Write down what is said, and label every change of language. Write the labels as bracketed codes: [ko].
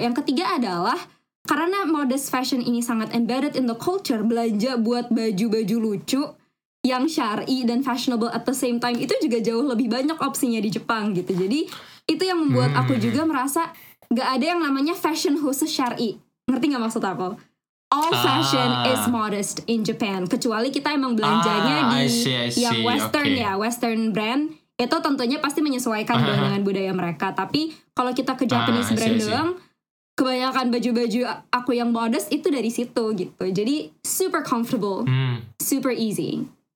[id] Yang ketiga adalah karena [en] modest fashion [id] ini sangat [en] embedded in the culture, [id] belanja buat baju-baju lucu yang syar'i dan [en] fashionable at the same time, [id] itu juga jauh lebih banyak opsinya di Jepang gitu. Jadi itu yang membuat aku juga merasa gak ada yang namanya fashion khusus syar'i. Ngerti gak maksud aku? [en] All fashion is modest in Japan. [id] Kecuali kita emang belanjanya yang western, okay. Ya, western brand. Itu tentunya pasti menyesuaikan dengan budaya mereka. Tapi kalau kita ke Japanese brand doang, kebanyakan baju-baju aku yang modest itu dari situ gitu. Jadi [en] super comfortable, super easy.